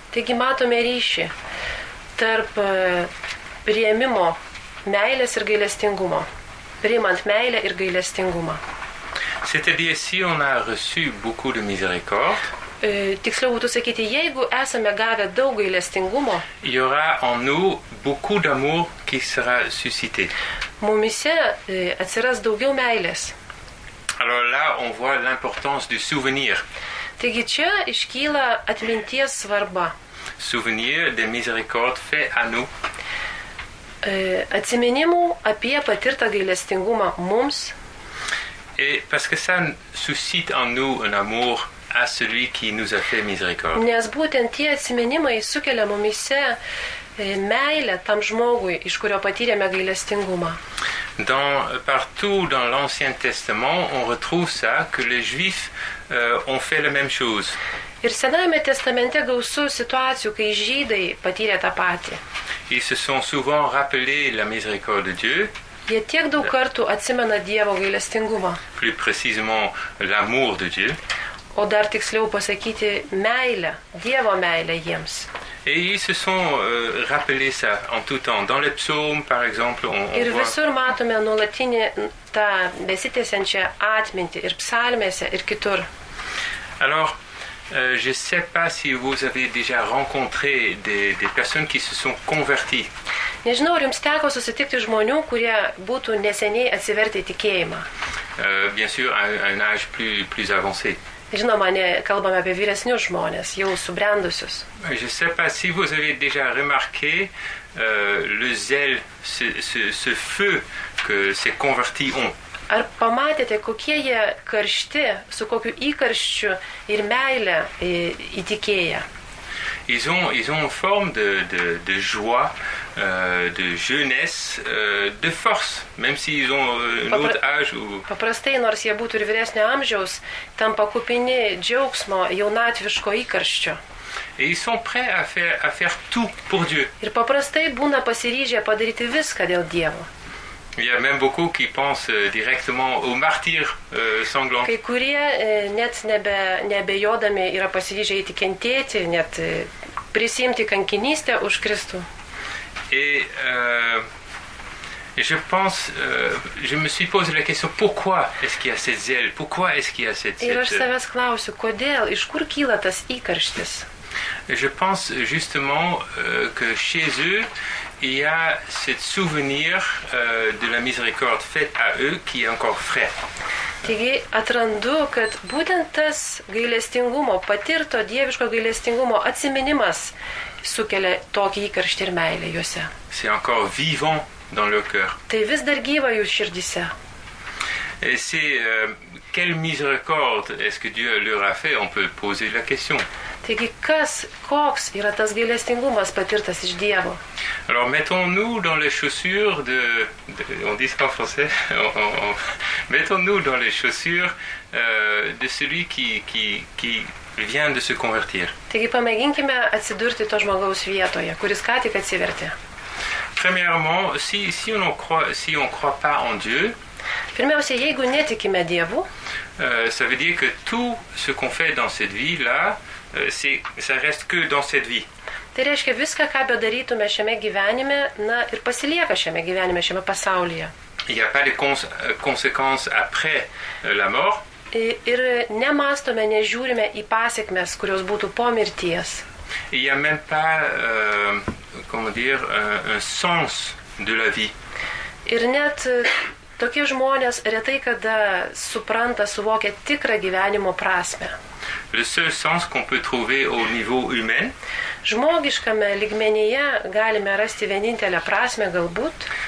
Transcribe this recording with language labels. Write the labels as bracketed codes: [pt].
[lt] Taigi matome ryšį tarp priėmimo meilės ir gailestingumo. Priimant meilę ir gailestingumą. [fr] C'est-à-dire si on a reçu beaucoup de miséricorde. [lt] Tiksliau būtų sakyti, jeigu esame gavę daug gailestingumo, [fr] il y aura en nous beaucoup d'amour qui sera suscité. [lt] Mumise atsiras daugiau meilės. [fr] Alors là, on voit l'importance du souvenir. [lt] Taigi čia iškyla atminties svarba. [fr] Souvenir de miséricorde fait à nous. [lt] Atsiminimų apie patirtą gailestingumą mums. [fr] Et parce que ça suscite en nous un amour à celui qui nous a fait miséricorde. [lt] Nes būtent tie atsiminimai sukelia mumise meilė tam žmogui, iš kurio patyrėme gailestingumą. [fr] Dans, partout dans l'Ancien Testament, on retrouve ça, que les Juifs ont fait la même chose. [lt] Ir Senajame Testamente gausu situacijų, kai žydai patyrė tą patį. [fr] Ils se sont souvent rappelés la miséricorde de Dieu. [lt] Jie tiek daug kartų atsimena Dievo gailestingumą. [fr] Plus précisément, l'amour de Dieu. [lt] O dar tiksliau pasakyti meilę, Dievo meilę jiems. [fr] Et ils se sont rappelés ça en tout temps. Dans les psaumes, par exemple, on [lt] ir visur matome nuolatinį tą besitėsiančią atmintį ir psalmėse, ir kitur. [fr] Alors, je ne sais pas si vous avez déjà rencontré des personnes qui se sont converties. [lt] Nežinau, ar jums teko susitikti žmonių, kurie būtų neseniai atsivertę tikėjimą. [fr] Bien sûr, un âge plus avancé. [lt] Žinoma, ne, kalbame apie vyresnius žmonės, jau subrendusius. [fr] Je ne sais pas si vous avez déjà remarqué le zèle, ce feu que ces convertis ont. [lt] Ar pamatėte, kokie jie karšti, su kokiu įkarščiu ir meilė įtikėja? [fr] Ils ont une forme de joie, de jeunesse, de force, même s'ils ont un autre âge. [lt] Paprastai, nors jie būtų ir vyresnio amžiaus, tampa kupini džiaugsmo jaunatviško įkarščio. [fr] Et ils sont prêts à faire tout pour Dieu. [lt] Ir paprastai būna pasiryžę padaryti viską dėl Dievo. [fr] Il y a même beaucoup qui pensent directement aux martyrs sanglants. [lt] Kai kurie net nebejodami yra pasiryžę įtikentėti, net prisimti kankinystę už Kristų. [fr] Et je pense, je me suis posé la question, pourquoi est-ce qu'il y a cette zèle? Pourquoi est-ce qu'il y a cette [lt] zèle? Ir aš savęs klausiu, kodėl, iš kur kyla tas įkarštis? [fr] Je pense justement que chez eux, il y a ce souvenir de la miséricorde faite à eux qui est encore frais. [lt] Taigi, atrandu, kad būtent tas gailestingumo, patirto dieviško gailestingumo atsiminimas sukelia tokį įkarštį ir meilę juose. [fr] C'est encore vivant dans leur cœur. [lt] Tai vis dar gyva jų širdyse. [fr] Et c'est quelle miséricorde est-ce que Dieu leur a fait? On peut poser la question. [lt] Taigi, kas, koks yra tas gailestingumas patirtas iš Dievo? [fr] Alors, mettons-nous dans les chaussures on dit ça en français, mettons-nous dans les chaussures de celui qui vient de se convertir. [lt] Taigi, pamėginkime atsidurti to žmogaus vietoje, kuris ką tik atsivertė. [fr] Premièrement, si on croit pas en Dieu, [lt] pirmiausia, jeigu netikime Dievu, [fr] ça veut dire que tout ce qu'on fait dans cette vie-là, ça reste que dans cette vie. [lt] Tai reiškia, viską, ką bedarytume šiame gyvenime, na, ir pasilieka šiame gyvenime, šiame pasaulyje. [fr] Il y a pas de conséquences après la mort. [lt] Ir nemastome, nežiūrime į pasekmes, kurios būtų po mirties. [fr] Il y a même pas, comment dire, un sens de la vie. [lt] Ir net tokie žmonės retai kada supranta, suvokia tikrą gyvenimo prasmę. [fr] Le seul sens qu'on peut trouver au niveau humain. [lt] Žmogiškame lygmenyje galime rasti vienintelę prasmę galbūt.